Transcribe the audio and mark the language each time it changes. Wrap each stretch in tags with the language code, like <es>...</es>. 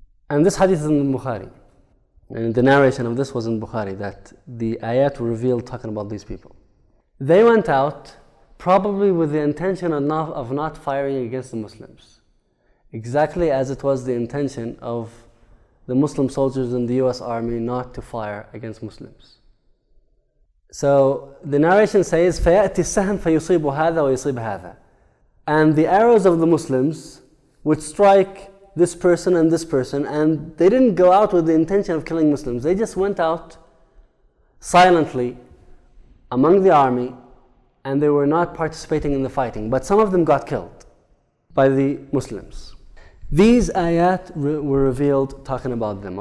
<en>And this hadith is in Bukhari. And the narration of this was in Bukhari, that the ayat were revealed talking about these people. They went out probably with the intention of not firing against the Muslims. Exactly as it was the intention of the Muslim soldiers in the US Army not to fire against Muslims. So the narration says,</en> <ar>فَيَأْتِ السَّهَمْ فَيُصِيبُ هَذَا وَيُصِيبُ هَذَا.</ar> <en>And the arrows of the Muslims would strike this person and this person, and they didn't go out with the intention of killing Muslims. They just went out silently among the army, and they were not participating in the fighting. But some of them got killed by the Muslims. These ayat were revealed talking about them.</en>